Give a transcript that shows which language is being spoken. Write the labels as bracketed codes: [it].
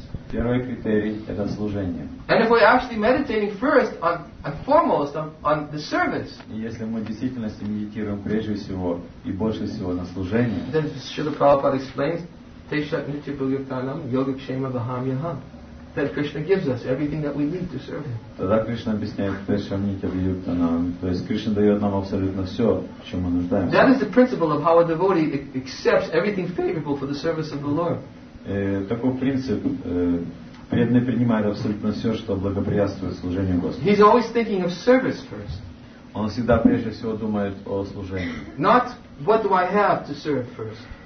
[ru] Первый критерий – это служение. [en] And if we're actually meditating first and foremost on the service, [ru] если мы в действительности медитируем прежде всего и больше всего на служении, [en] then Srila Prabhupada explains, [sa] Teshat Nitya Bhagavatam Yoga Kshema Baham Yaham, [en] that Krishna gives us everything that we need to serve Him. [ru] Тогда Кришна объясняет [sa] Teshat Nitya Bhagavatam, [ru] то есть Кришна дает нам абсолютно все, в чем мы нуждаемся. [en] That is the principle of how a devotee accepts everything favorable for the service of the Lord. [ru] Такой принцип преданный принимает абсолютно все, что благоприятствует служению Господу. [en] He's always thinking of service first. Он всегда прежде всего думает о служении. Not what do I have to serve first.